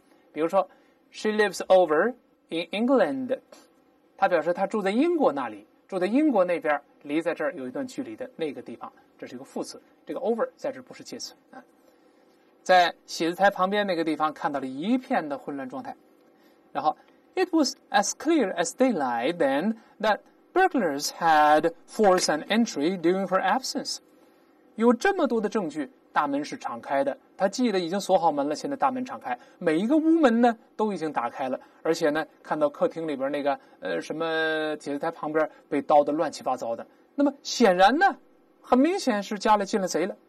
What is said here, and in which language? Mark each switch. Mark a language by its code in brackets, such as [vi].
[zh] 比如说 ， [en] She lives over in England， [zh] 他表示他住在英国那里，住在英国那边，离在这儿有一段距离的那个地方，这是一个副词。这个 over 在这不是介词啊。在写字台旁边那个地方看到了一片的混乱状态，然后。 [en] It was as clear as daylight then that burglars had forced an entry during her absence. [zh] 有这么多的证据，大门是敞开的。他记得已经锁好门了，现在大门敞开，每一个屋门呢都已经打开了。而且呢，看到客厅里边那个什么写字台旁边被刀得乱七八糟的。那么显然呢，很明显是家里进了贼了。